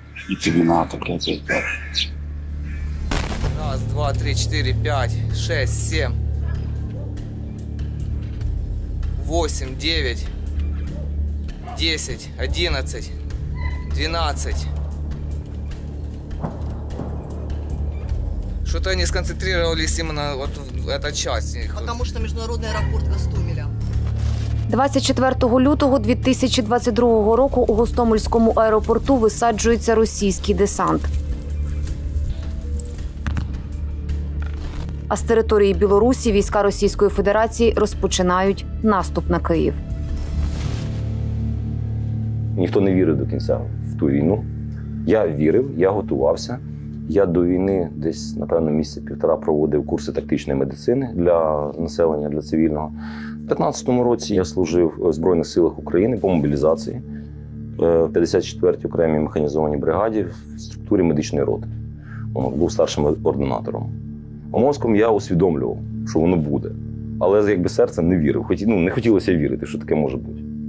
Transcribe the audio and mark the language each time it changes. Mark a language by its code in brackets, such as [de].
[uk] І тобі на таке опять. Раз, два, три, чотири, п'ять, шість, сім. Вісім, дев'ять, десять, одинадцять, дванадцять. [ru] Что-то они сконцентрировались именно вот в этой части. Потому что международный аэропорт Гостомеля. [uk] 24 лютого 2022 року у Гостомельському аеропорту висаджується російський десант. А з території Білорусі війська Російської Федерації розпочинають наступ на Київ. Ніхто не вірив до кінця в ту війну. Я вірив, я готувався. Я до війни десь, напевно, місяця півтора проводив курси тактичної медицини для населення, для цивільного. В 15-му році я служив в Збройних силах України по мобілізації в 54-й окремій механізованій бригаді в структурі медичної роти. Був старшим ординатором. А мозком я усвідомлював, що воно буде. Але якби серцем не вірив. Не хотілося вірити, що таке може бути.